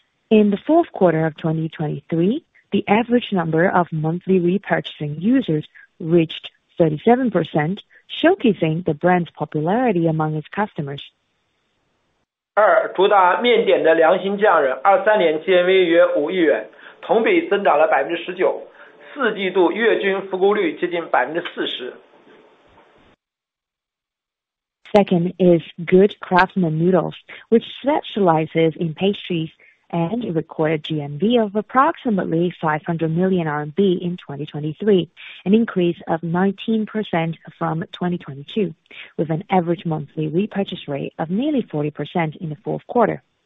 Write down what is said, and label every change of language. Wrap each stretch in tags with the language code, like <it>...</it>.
<en>In the fourth quarter of 2023, the average number of monthly repurchasing users reached 37%, showcasing the brand's popularity among its customers.</en> <zh>二、主打面点的良心匠人 23年 GMV 约 5 亿元 同比增长了 19% 4季度月均服务率接近 40%</zh> <en>Second is Good Craftsman Noodles, which specializes in pastries and recorded GMV of approximately 500 million RMB in 2023, an increase of 19% from 2022, with an average monthly repurchase rate of nearly 40% in the fourth quarter.</en>